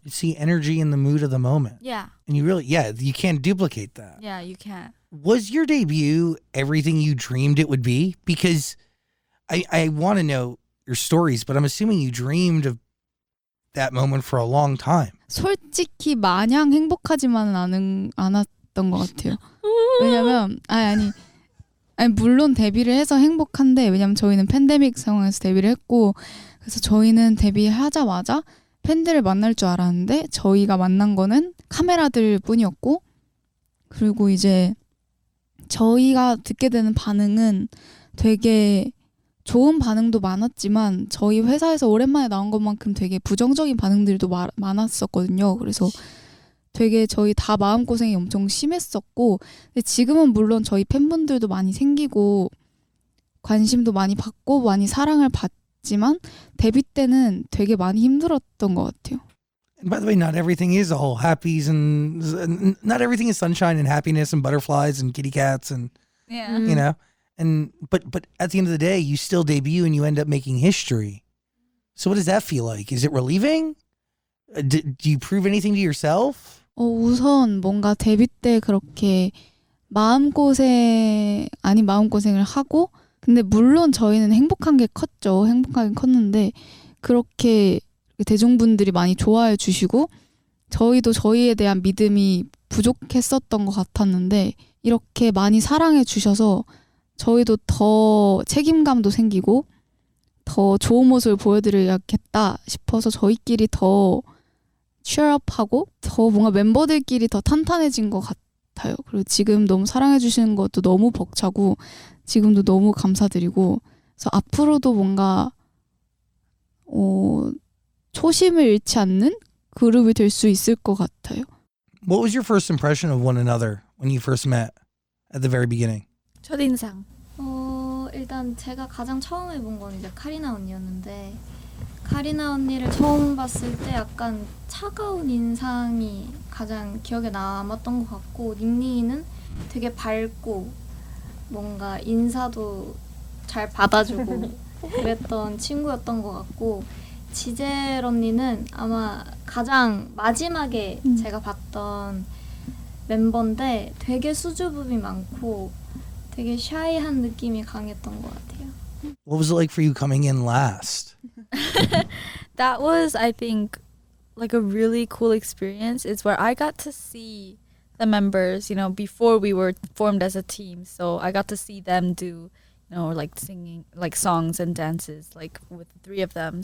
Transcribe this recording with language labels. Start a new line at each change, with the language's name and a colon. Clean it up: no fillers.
English: You see energy in the mood of the moment. Yeah. And you really, yeah, you can't duplicate that. Yeah, you can't. Was your debut everything you dreamed it would be? Because I want to know your stories, but I'm assuming you dreamed of that moment for a long time.
Korean: 솔직히 마냥 행복하지만은 않았던 것 같아요. 왜냐면 아니 물론 데뷔를 해서 행복한데 왜냐면 저희는 팬데믹 상황에서 데뷔를 했고 그래서 저희는 데뷔하자마자 팬들을 만날 줄 알았는데 저희가 만난 거는 카메라들 뿐이었고 그리고 이제 저희가 듣게 되는 반응은 되게 좋은 반응도 많았지만 저희 회사에서 오랜만에 나온 것만큼 되게 부정적인 반응들도 많았었거든요. 그래서 되게 저희 다 마음고생이 엄청 심했었고 근데 지금은 물론 저희 팬분들도 많이 생기고 관심도 많이 받고 많이 사랑을 받지만 데뷔 때는 되게 많이 힘들었던 것 같아요.
English: And by the way, not everything is all happies and not everything is sunshine and happiness and butterflies and kitty cats and yeah. you know. And but at the end of the day, you still debut and you end up making history. So what does that feel like? Is it relieving? Do you prove anything to yourself?
Korean: 우선 뭔가 데뷔 때 그렇게 마음고생을 하고 근데 물론 저희는 행복한 게 컸죠. 행복한 게 컸는데 그렇게 대중분들이 많이 좋아해 주시고 저희도 저희에 대한 믿음이 부족했었던 것 같았는데 이렇게 많이 사랑해 주셔서 저희도 더 책임감도 생기고 더 좋은 모습을 보여드려야겠다 싶어서 저희끼리 더 취업하고 더 뭔가 멤버들끼리 더 탄탄해진 것 같아요. 그리고 지금 너무 사랑해 주시는 것도 너무 벅차고 지금도 너무 감사드리고 그래서 앞으로도 뭔가 초심을 잃지 않는 그룹이 될 수 있을 것 같아요.
English: What was your first impression of one another when you first met at the very beginning?
Korean: 첫인상. 일단 제가 가장 처음에 본 건 이제 카리나 언니였는데 카리나 언니를 처음 봤을 때 약간 차가운 인상이 가장 기억에 남았던 것 같고 닉닉이는 되게 밝고 뭔가 인사도 잘 받아주고 그랬던 친구였던 것 같고 지젤 언니는 아마 가장 마지막에 제가 봤던 멤버인데 되게 수줍음이 많고 되게 샤이한 느낌이 강했던 것 같아요.
English: What was it like for you coming in last? That was, I think, like a really cool experience. It's where I got to see the members, you know, before we were formed as a team. So I got to see them do, you know, like singing, like songs and dances, like with the three of them.